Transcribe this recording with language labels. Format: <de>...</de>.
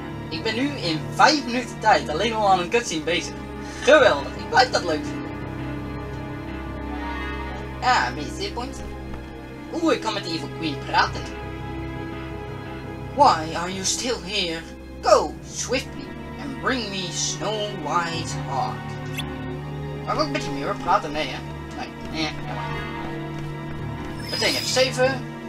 <nl>Ik ben nu in 5 minuten tijd alleen al aan een cutscene bezig. Geweldig, ik blijf dat leuk vinden. Ja, wie is dit point? Oeh, ik kan met de Evil Queen praten.</nl> <en>Why are you still here? Go swiftly and bring me Snow White's heart.</en> <nl>Mag ik ook met je muur praten? Nee, hè? Nee. Meteen even zeven.</nl>